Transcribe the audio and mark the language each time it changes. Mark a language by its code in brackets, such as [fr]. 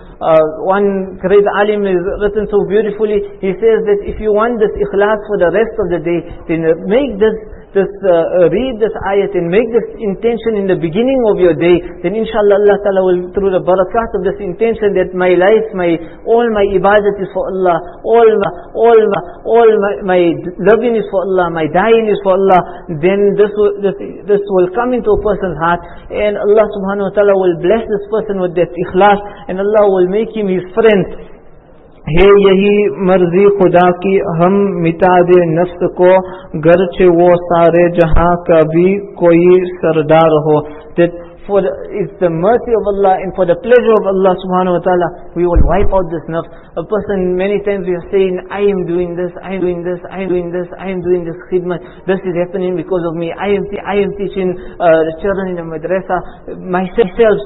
[en] One great alim is written so beautifully, he says that if you want this ikhlas for the rest of the day, then make read this ayat and make this intention in the beginning of your day, then inshallah Allah ta'ala will, through the barakat of this intention, that my life, all my ibadat is for Allah, all my loving is for Allah, my dying is for Allah, then this will come into a person's heart, and Allah subhanahu wa ta'ala will bless this person with that ikhlas, and Allah will make him his friend. [ur] ہے یہی مرضی خدا کی ہم مٹا دے نفس کو گرچہ وہ سارے جہاں کا بھی کوئی سردار ہو. [en] That for it's the mercy of Allah and for the pleasure of Allah subhanahu wa ta'ala, we will wipe out this nafs. A person, many times we are saying, I am doing this, I am doing this, I am doing this, I am doing this khidmat, this is happening because of me, I am teaching the children in the madrasa, myself.